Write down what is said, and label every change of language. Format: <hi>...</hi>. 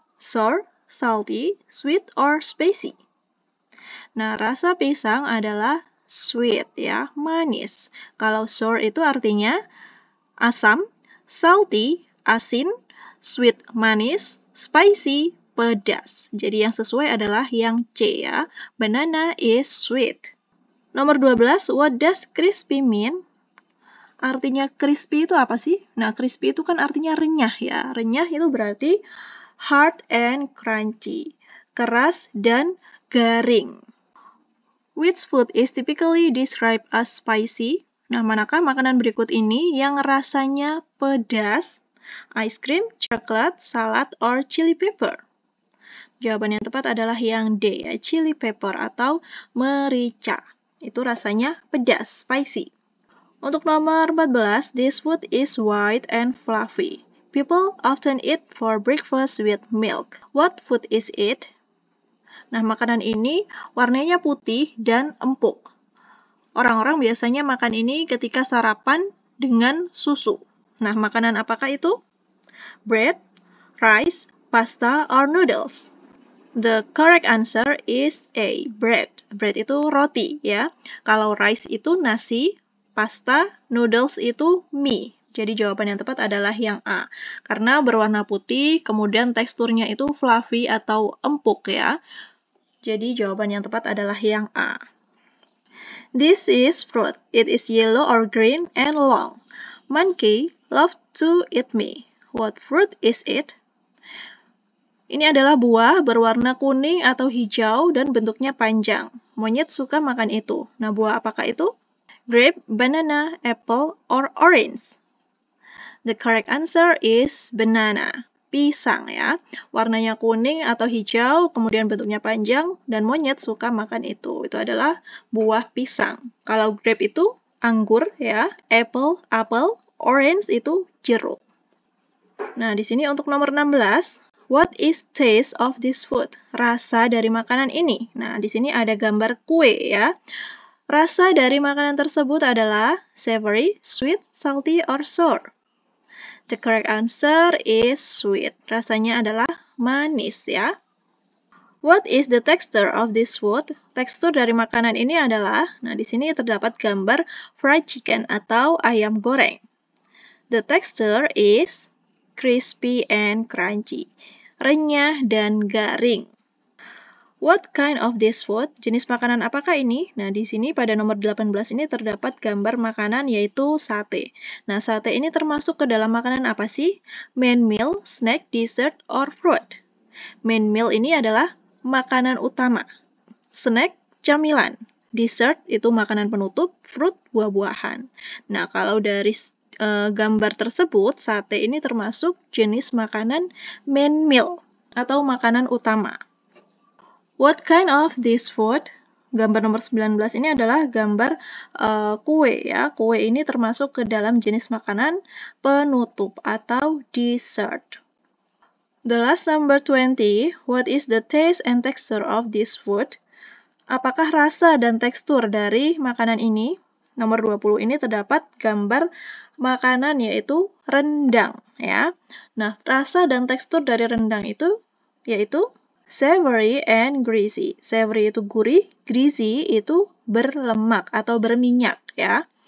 <en>Sour, salty, sweet, or spicy?</en> <id>Nah, rasa pisang adalah sweet, ya, manis. Kalau sour itu artinya asam, salty, asin, sweet, manis, spicy, pedas. Jadi yang sesuai adalah yang C ya.</id> <en>Banana is sweet. Nomor 12, what does crispy mean?</en> <id>Artinya crispy itu apa sih? Nah, crispy itu kan artinya renyah ya. Renyah itu berarti</id> <en>hard and crunchy.</en> <id>Keras dan garing.</id> <en>Which food is typically described as spicy?</en> <id>Nah, manakah makanan berikut ini yang rasanya pedas?</id> <en>Ice cream, coklat, salad, or chili pepper?</en> <id>Jawaban yang tepat adalah yang D, ya, chili pepper atau merica. Itu rasanya pedas,</id> <en>spicy.</en> <id>Untuk nomor 14,</id> <en>this food is white and fluffy. People often eat for breakfast with milk. What food is it?</en> <id>Nah, makanan ini warnanya putih dan empuk. Orang-orang biasanya makan ini ketika sarapan dengan susu. Nah, makanan apakah itu?</id> <en>Bread, rice, pasta or noodles? The correct answer is A, bread.</en> <id>Bread itu roti, ya. Kalau rice itu nasi, pasta, noodles itu mie. Jadi jawaban yang tepat adalah yang A. Karena berwarna putih, kemudian teksturnya itu fluffy atau empuk, ya. Jadi jawaban yang tepat adalah yang A.</id> <en>This is fruit. It is yellow or green and long. Monkey love to eat me. What fruit is it?</en> <id>Ini adalah buah berwarna kuning atau hijau dan bentuknya panjang. Monyet suka makan itu. Nah, buah apakah itu?</id> <en>Grape, banana, apple, or orange? The correct answer is banana.</en> <id>Pisang ya. Warnanya kuning atau hijau, kemudian bentuknya panjang, dan monyet suka makan itu. Itu adalah buah pisang. Kalau grape itu anggur ya. Apple, apel. Orange itu jeruk. Nah, di sini untuk nomor 16,</id> <en>what is taste of this food?</en> <id>Rasa dari makanan ini. Nah, di sini ada gambar kue ya. Rasa dari makanan tersebut adalah savory, sweet, salty, or sour.</id> <en>The correct answer is sweet.</en> <id>Rasanya adalah manis ya.</id> <en>What is the texture of this food?</en> <id>Tekstur dari makanan ini adalah, nah di sini terdapat gambar fried chicken atau ayam goreng.</id> <en>The texture is crispy and crunchy.</en> <id>Renyah dan garing.</id> <en>What kind of this food?</en> <id>Jenis makanan apakah ini? Nah, di sini pada nomor 18 ini terdapat gambar makanan yaitu sate. Nah, sate ini termasuk ke dalam makanan apa sih?</id> <en>Main meal, snack, dessert, or fruit?</en> <id>Main meal ini adalah makanan utama. Snack, camilan. Dessert itu makanan penutup, fruit, buah-buahan. Nah, kalau dari gambar tersebut, sate ini termasuk jenis makanan main meal atau makanan utama.</id> <en>What kind of this food?</en> <id>Gambar nomor 19 ini adalah gambar kue ya. Kue ini termasuk ke dalam jenis makanan penutup atau dessert.</id> <en>The last number 20, what is the taste and texture of this food?</en> <id>Apakah rasa dan tekstur dari makanan ini? Nomor 20 ini terdapat gambar makanan yaitu rendang ya. Nah, rasa dan tekstur dari rendang itu yaitu</id> <en>savory and greasy.</en> <id>Savory itu gurih, greasy itu berlemak atau berminyak ya.</id>